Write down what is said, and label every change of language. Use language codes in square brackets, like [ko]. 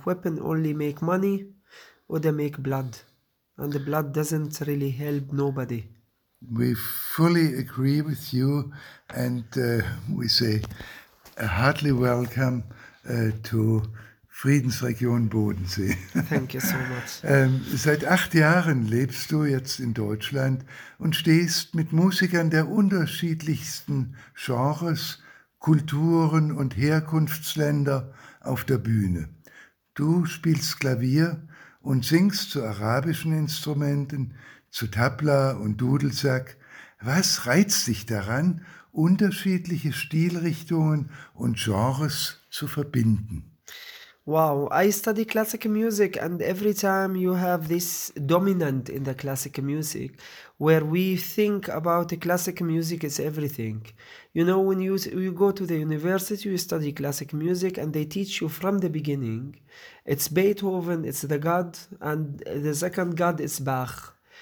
[en] Weapon only make money, or they make blood, and the blood doesn't really help nobody. We fully agree with you, and we say a hearty welcome to Friedensregion Bodensee. Thank you so much. [de] Seit 8 Jahren lebst du jetzt in Deutschland und stehst mit Musikern der unterschiedlichsten Genres, Kulturen und Herkunftsländer auf der Bühne. Du spielst Klavier und singst zu arabischen Instrumenten, zu Tabla und Dudelsack. Was reizt dich daran, unterschiedliche Stilrichtungen und Genres zu verbinden? [en] Wow, I study classical music, and every time you have this dominant in the classical music, where we think about the classical music is everything. You know, when you go to the university, you study classical music, and they teach you from the beginning, it's Beethoven, it's the God, and the second God is Bach.